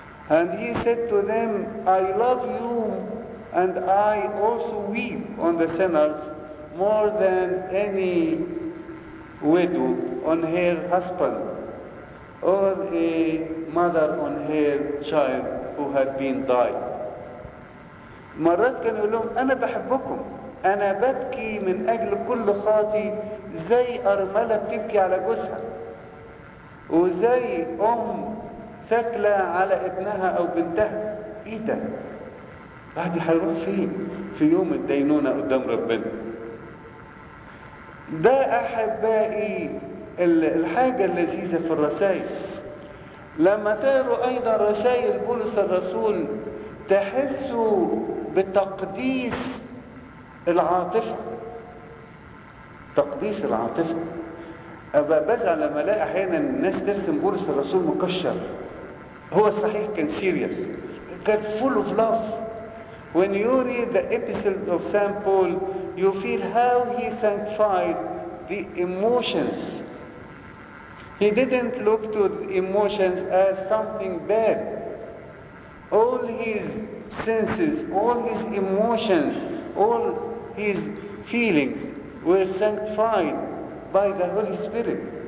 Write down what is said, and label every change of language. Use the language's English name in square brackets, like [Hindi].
[English] And he said to them, I love you and I also weep on the sinners more than any widow on her husband or a mother on her child who had been died. [Arabic] مرات كان يقول لهم انا بحبكم، انا ببكي من اجل كل خاطي زي ارملة بتبكي على جوزها، وزي ام ثكلة على ابنها او بنتها. ايه ده؟ بعد هيروح فين في يوم الدينونة قدام ربنا؟ ده احبائي الحاجة اللذيذة في الرسائل. لما تقروا ايضا رسائل بولس الرسول تحسوا بتقديس العاطفة، تقديس العاطفة. ابقى بزعل لما الاقي احيانا الناس ترسم بولس الرسول مكشر. هو صحيح كان سيريس، كان [English] full of love. When you read the episode of Saint Paul, you feel how he sanctified the emotions. He didn't look to the emotions as something bad. All his senses, all his emotions, all his feelings were sanctified by the Holy Spirit.